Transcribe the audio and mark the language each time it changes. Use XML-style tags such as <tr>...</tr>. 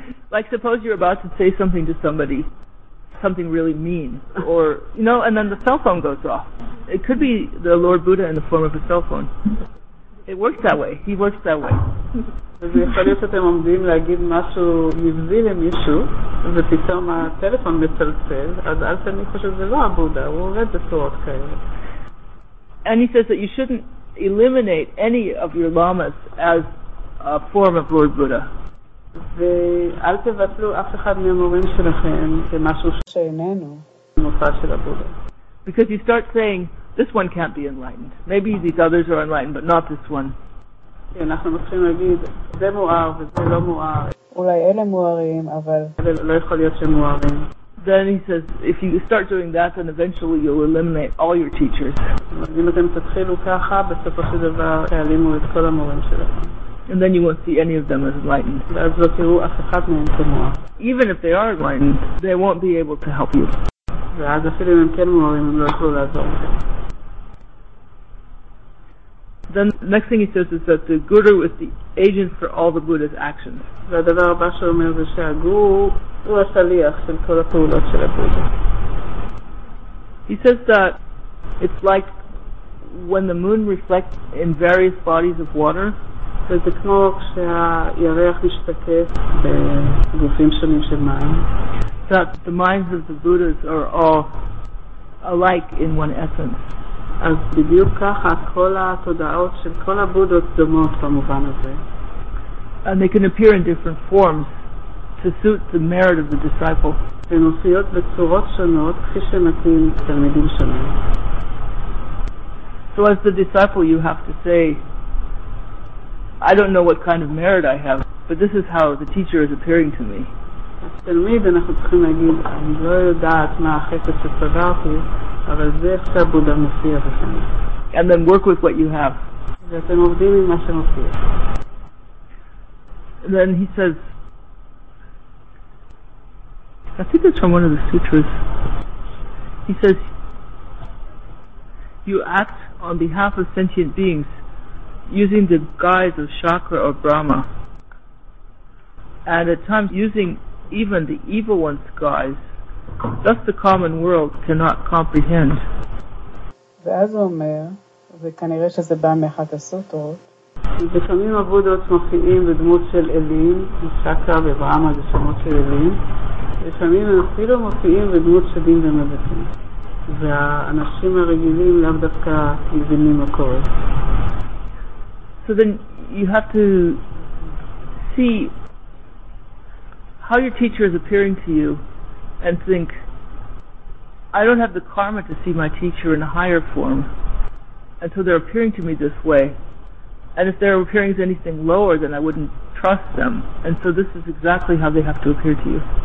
<en>Like suppose you're about to say something to somebody. Something really mean, or you know, and then the cell phone goes off. It could be the Lord Buddha in the form of a cell phone. It works that way. He works that way.</en> <he>אז יכול להיות שאתם עומדים להגיד משהו נבזי למישהו, ופתאום הטלפון מצלצל, אז אל תניחו שזה לא הבודה, הוא עובד בצורות כאלה.</he> <en>And he says that you shouldn't eliminate any of your lamas as a form of Lord Buddha.</en> <he>ואל תבטלו אף אחד מהמורים שלכם כמשהו שאיננו מופע של הבודה.</he> <en>Because you start saying, this one can't be enlightened. Maybe these others are enlightened, but not this one.</en> <he>אנחנו מתחילים להגיד, זה מואר וזה לא מואר. אולי אלה מוארים, אבל לא יכול להיות שהם מוארים.</he> <en>Then he says, if you start doing that, then eventually you'll eliminate all your teachers.</en> <he>אם אתם תתחילו ככה, בסופו של דבר תעלימו את כל המורים שלכם.</he> <en>And then you won't see any of them as enlightened.</en> <he>אז לא תראו אף אחד מהם כמוה.</he> <en>Even if they are enlightened, they won't be able to help you.</en> <he>ואז אפילו אם הם כן מוארים, הם לא יכולו לעזור לכם.</he> <en>Then the next thing he says is that the guru is the agent for all the Buddha's actions.</en> <he>והדבר הבא שהוא אומר זה שהגור הוא השליח של כל הפעולות של הבודה.</he> <en>He says that it's like when the moon reflects in various bodies of water.</en> <he>זה כמו כשהירח משתקף בגופים שונים של מים.</he> <en>That the minds of the Buddhas are all alike in one essence.</en> <he>אז בדיוק ככה כל התודעות של כל הבודות דומות במובן הזה.</he> <en>And they can appear in different forms to suit the merit of the disciple.</en> <he>הן מופיעות בצורות שונות כפי שמתאים תלמידים שונים.</he> <en>So as the disciple you have to say, I don't know what kind of merit I have, but this is how the teacher is appearing to me.</en> <he>תלמיד, אנחנו צריכים להגיד, אני לא יודעת מה החסד שצברתי, אבל זה איך שהבודה מופיע בפני.</he> <en>And then work with what you have.</en> <he>ואתם עובדים עם מה שמופיע.</he> <en>And then he says, I think it's from one of the sutras. He says, you act on behalf of sentient beings using the guise of chakra or Brahma, and at times using even the evil one's guise, thus the common world cannot comprehend.</en> <he>ואז הוא אומר, וכנראה שזה בא מאחת הסוטרות, ולפעמים הבודות מופיעים בדמות של אלים, משקה וברמה זה שמות של אלים, לפעמים הם אפילו מופיעים בדמות שדים ומבטים. והאנשים הרגילים לאו דווקא מבינים מה קורה.</he> <en>So then you have to see how your teacher is appearing to you and think, I don't have the karma to see my teacher in a higher form, and so they're appearing to me this way, and if they're appearing as anything lower, then I wouldn't trust them, and so this is exactly how they have to appear to you.</en>